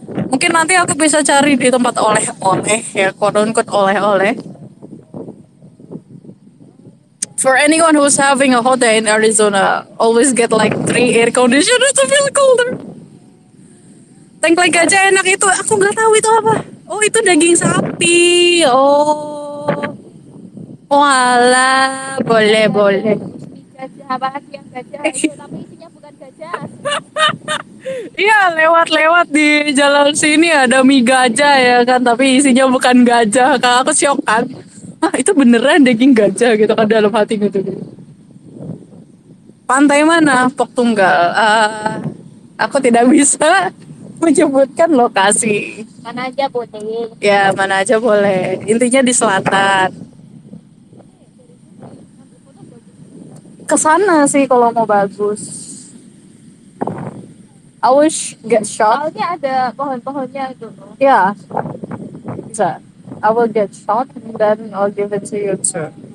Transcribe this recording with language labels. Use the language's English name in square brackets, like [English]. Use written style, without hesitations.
[Indonesian] Mungkin nanti aku bisa cari di tempat oleh-oleh ya, quote-unquote oleh-oleh. [English] For anyone who's having a hot day in Arizona, always get like 3 air conditioners to feel colder. [Indonesian] Tengkleng gajah enak itu, aku nggak tahu itu apa. Oh, itu daging sapi. Oh. Wala, boleh. Gajah apa sih yang gajah itu, tapi isinya bukan gajah. Iya, lewat-lewat di jalan sini ada mie gajah ya kan, tapi isinya bukan gajah. Kan aku syok kan. Ah, itu beneran daging gajah gitu kan dalam hati gitu. Pantai mana? Pok Tunggal. Aku tidak bisa menyebutkan lokasi. Mana aja boleh. Ya, mana aja boleh. Intinya di selatan. Kesana sih kalau mau bagus. [English] I wish get shot. [Indonesian] Soalnya ada pohon-pohonnya itu. Ya. Bisa. [English] I will get shot and then I'll give it to you too.